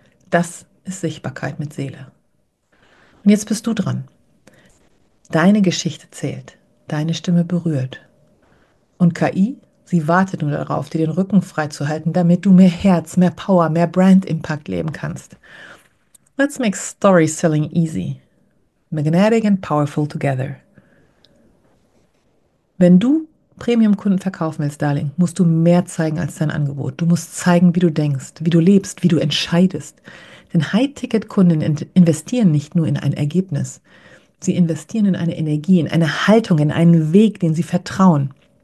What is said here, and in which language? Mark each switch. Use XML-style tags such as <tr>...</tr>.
<de>Das ist Sichtbarkeit mit Seele. Und jetzt bist du dran. Deine Geschichte zählt. Deine Stimme berührt. Und KI, sie wartet nur darauf, dir den Rücken freizuhalten, damit du mehr Herz, mehr Power, mehr Brand Impact leben kannst.</de> <en>Let's make story selling easy. Magnetic and powerful together.</en> <de>Wenn du Premium-Kunden verkaufen willst, Darling, musst du mehr zeigen als dein Angebot. Du musst zeigen, wie du denkst, wie du lebst, wie du entscheidest. Denn High-Ticket-Kunden investieren nicht nur in ein Ergebnis. Sie investieren in eine Energie, in eine Haltung, in einen Weg, den sie vertrauen.</de>